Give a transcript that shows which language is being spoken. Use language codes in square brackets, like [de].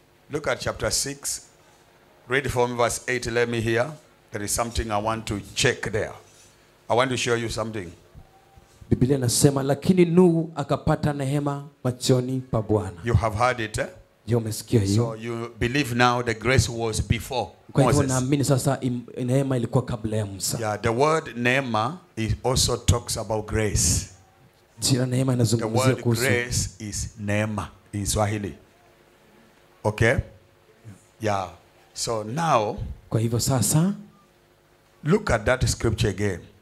[en] Look at chapter 6. Read from verse 8. Let me hear. There is something I want to check there. I want to show you something. [sw] Biblia nasema, lakini Nuhu akapata nehema machoni pa Bwana. [en] You have heard it, eh? [sw] Yo mesikia hiyo. [en] So you believe now the grace was before [sw] kwa [en] Moses. [sw] Kwa hivyo naamini sasa nehema ilikuwa kabla ya Musa. [en] Yeah, the word nehema is also talks about grace. [sw] Jina nehema inazungumzia kuhusu. [en] The word grace is nehema in Swahili. Okay? Yeah. So now, [sw] kwa hivyo sasa, [en] look at that scripture again.